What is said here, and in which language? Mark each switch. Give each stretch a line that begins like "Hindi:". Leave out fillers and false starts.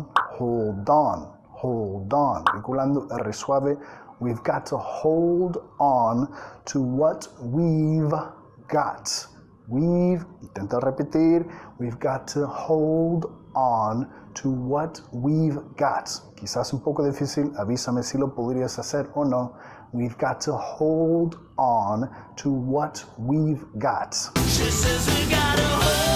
English: Hold on,
Spanish: vinculando R suave,
English: we've got to hold on to what we've got.
Spanish: Intenta repetir,
English: we've got to hold on to what we've got.
Spanish: Quizás un poco difícil, avísame si lo podrías hacer o no.
English: We've got to hold on to what we've got. She says we've got to hold.